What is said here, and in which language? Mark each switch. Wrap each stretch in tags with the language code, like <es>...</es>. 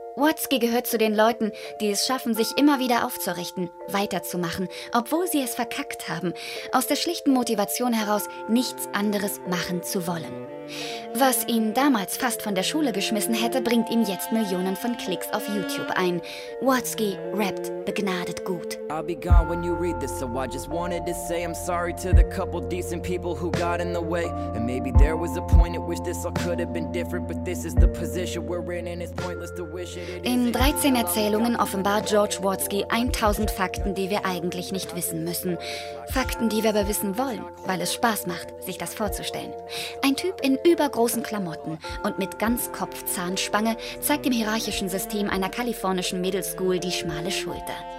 <de>Watzke gehört zu den Leuten, die es schaffen, sich immer wieder aufzurichten, weiterzumachen, obwohl sie es verkackt haben, aus der schlichten Motivation heraus, nichts anderes machen zu wollen. Was ihn damals fast von der Schule geschmissen hätte, bringt ihm jetzt Millionen von Klicks auf YouTube ein. Watzke rappt begnadet gut.</de> <en>I'll be gone when you read this, so I just wanted to say I'm sorry to the couple decent people who got in the way. And maybe there was a point at which this all could have been different, but this is the position we're in and it's pointless to wish it.</en> <de>In 13 Erzählungen offenbart George Watzke 1000 Fakten, die wir eigentlich nicht wissen müssen. Fakten, die wir aber wissen wollen, weil es Spaß macht, sich das vorzustellen. Ein Typ in übergroßen Klamotten und mit Ganzkopfzahnspange zeigt dem hierarchischen System einer kalifornischen Middle School die schmale Schulter.</de>